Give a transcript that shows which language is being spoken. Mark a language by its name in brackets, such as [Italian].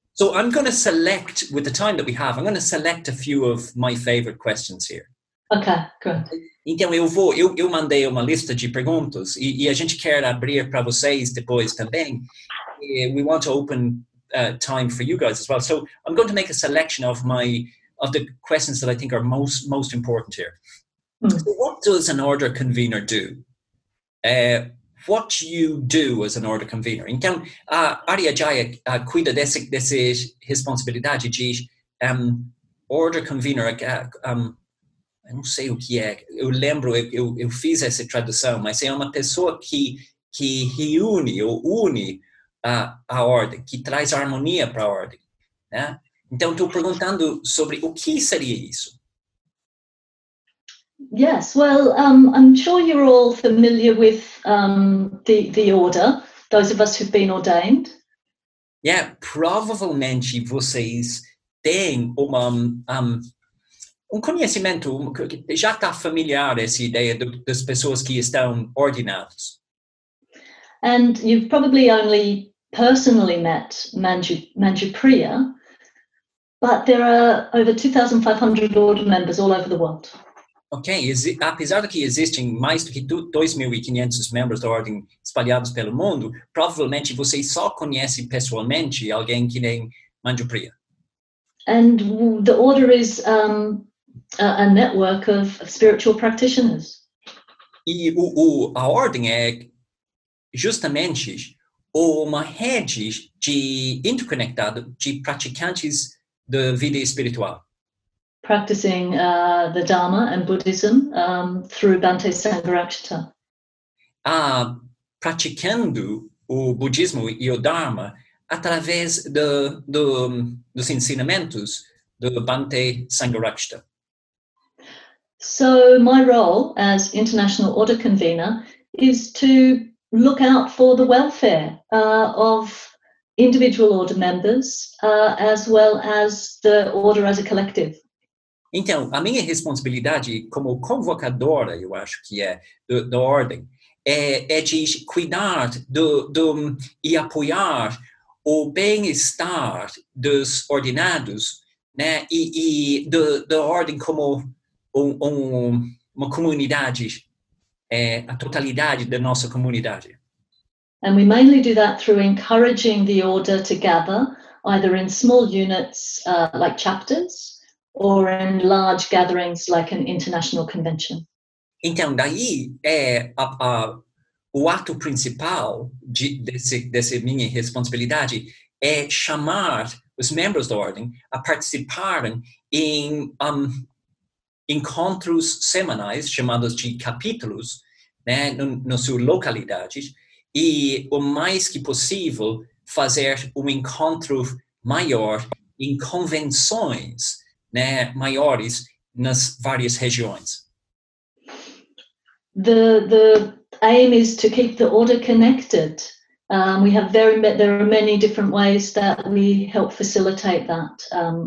[English] So I'm going to select, with the time that we have, I'm going to select a few of my favorite questions here. Okay, good. [Portuguese] Então, eu mandei uma lista de perguntas e a gente quer abrir para vocês depois também. [English] We want to open time for you guys as well. So I'm going to make a selection of the questions that I think are most important here. So what does an order convener do? What you do as an order convener. [Portuguese] Então, a Arya Jaya cuida desse responsabilidade de order convener. Eu não sei o que é. Eu lembro, eu fiz essa tradução, mas é uma pessoa que reúne ou une a ordem, que traz harmonia para a ordem. Né? Então, estou perguntando sobre o que seria isso. [English] Yes, well, I'm sure you're all familiar with the order, those of us who've been ordained. [Portuguese] Yeah, provavelmente vocês têm um conhecimento, já está familiar essa ideia das pessoas que estão ordenadas. [English] And you've probably only personally met Manjupriya, But there are over 2,500 order members all over the world. [Portuguese] Ok, apesar de que existem mais do que 2.500 membros da ordem espalhados pelo mundo, provavelmente você só conhece pessoalmente alguém que nem Manjupriya. [English] And the order is a network of spiritual practitioners. [Portuguese] E a ordem é justamente uma rede de interconectado de praticantes da vida espiritual. [English] Practicing the Dharma and Buddhism through Bhante Sangharakshita. [Portuguese] Praticando o budismo e o Dharma através dos ensinamentos do Bhante Sangharakshita. [English] So my role as international order convener is to look out for the welfare of individual order members as well as the order as a collective. [Portuguese] Então, a minha responsabilidade como convocadora, eu acho que é, da ordem, é de cuidar e apoiar o bem-estar dos ordenados, né, e da ordem como uma comunidade, a totalidade da nossa comunidade. [English] And we mainly do that through encouraging the order to gather, either in small units, like chapters, or in large gatherings like an international convention. [Portuguese] Então, daí é o ato principal dessa minha responsabilidade é chamar os membros da ordem a participarem em encontros semanais, chamados de capítulos, né, na sua localidade, e o mais que possível fazer encontro maior em convenções, né, maiores nas várias regiões. [English] The aim is to keep the order connected. We have there are many different ways that we help facilitate that.